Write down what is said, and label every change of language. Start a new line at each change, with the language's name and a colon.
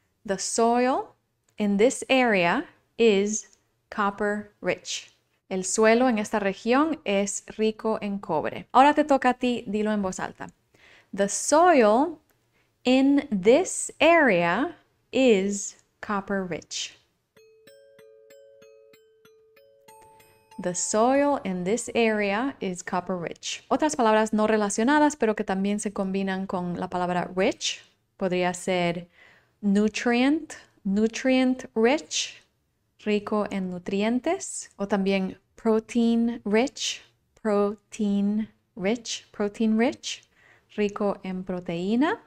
English: The soil in this area is copper rich.
Spanish: El suelo en esta región es rico en cobre. Ahora te toca a ti, dilo en voz alta.
English: The soil in this area is copper rich. The soil in this area is copper rich.
Spanish: Otras palabras no relacionadas, pero que también se combinan con la palabra rich. Podría ser nutrient, nutrient rich, rico en nutrientes. O también protein rich, protein rich, protein rich, rico en proteína.